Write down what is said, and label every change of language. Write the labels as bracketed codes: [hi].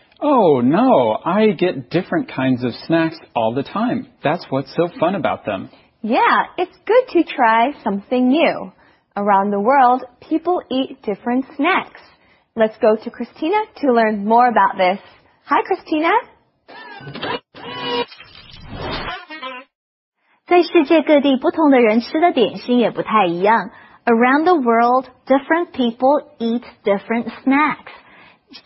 [en] Oh, no, I get different kinds of snacks all the time. That's what's so fun about them. Yeah, it's good to try something new. Around the world, people eat different snacks. Let's go to Christina to learn more about this. Hi, Christina. [zh] 在世界各地，不同的人吃的点心也不太一样。 [en] Around the world, different people eat different snacks.